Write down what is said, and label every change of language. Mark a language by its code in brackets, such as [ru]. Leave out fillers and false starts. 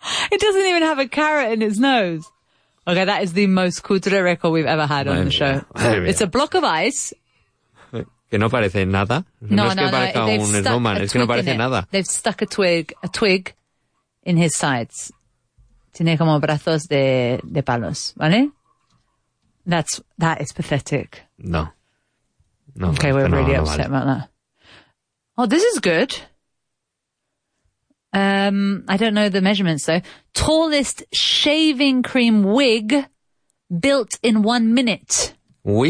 [en] It doesn't even have a carrot in its nose. Okay, that is the most cutre record we've ever had on the show. It's a block of ice. [es] Que no parece nada. No, es que no parece nada. [en] They've stuck a twig in his sides. [es] Tiene como brazos de palos, ¿vale? [en] That is pathetic. No. No, okay, we're really upset about that. Oh, this is good. I don't know the measurements, though. Tallest shaving cream wig built in 1 minute. Wig?